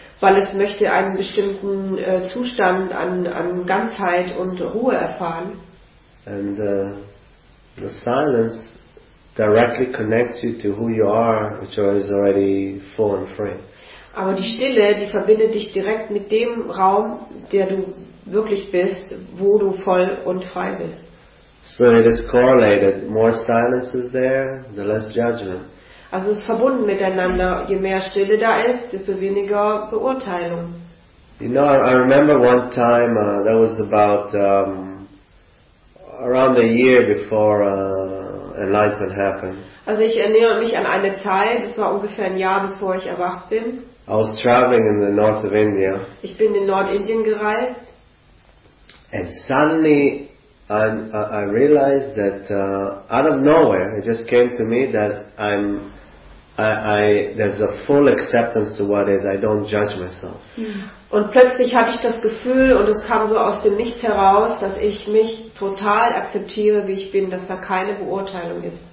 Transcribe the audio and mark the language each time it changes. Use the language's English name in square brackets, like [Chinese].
[German] Weil es möchte einen bestimmten Zustand an Ganzheit und Ruhe erfahren. [English] And the silence directly connects you to who you are, which is already full and free. [German] Aber die Stille, die verbindet dich direkt mit dem Raum, der du wirklich bist, wo du voll und frei bist. [English] So it is correlated. More silence is there, the less judgment. [German] Also es ist verbunden miteinander. Je mehr Stille da ist, desto weniger Beurteilung. [English] You know, I remember one time that was about around a year before enlightenment happened. [German] Also ich erinnere mich an eine Zeit. Das war ungefähr ein Jahr bevor ich erwacht bin. [English] I was traveling in the north of India. [German] Ich bin in Nordindien gereist. [English] And suddenly I realized that out of nowhere it just came to me that there's a full acceptance to what is. I don't judge myself. [German] Und plötzlich hatte ich das Gefühl und es kam so aus dem Nichts heraus, dass ich mich total akzeptiere, wie ich bin, dass da keine Beurteilung ist.